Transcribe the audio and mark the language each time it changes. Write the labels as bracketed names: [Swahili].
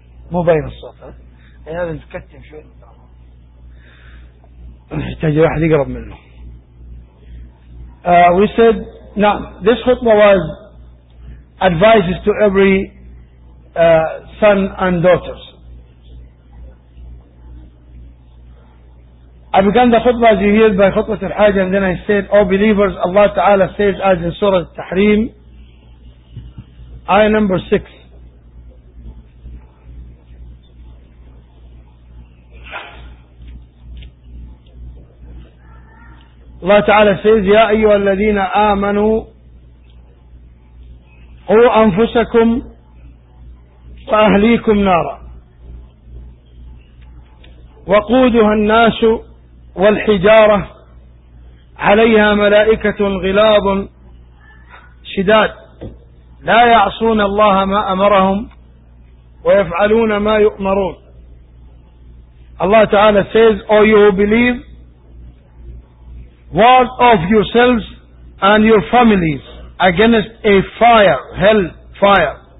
[Arabic] مو بين الصوت، هذا نتكتم شوي، نحتاج واحد يقرب منه. [English] We said, now this khutbah was advices to every son and daughters. I began the khutbah as you hear by khutbah al-Hajj, and then I said, O believers, Allah Ta'ala says as in Surah Al-Tahrim, Ayah number 6. [Arabic] الله تعالى [English] says [Arabic] يا أيها الذين آمنوا قوا أنفسكم وأهليكم نارا وقودها الناس والحجارة عليها ملائكة غلاظ شداد لا يعصون الله ما أمرهم ويفعلون ما يؤمرون. الله تعالى [English] says O you believe, ward off yourselves and your families against a fire, hell fire,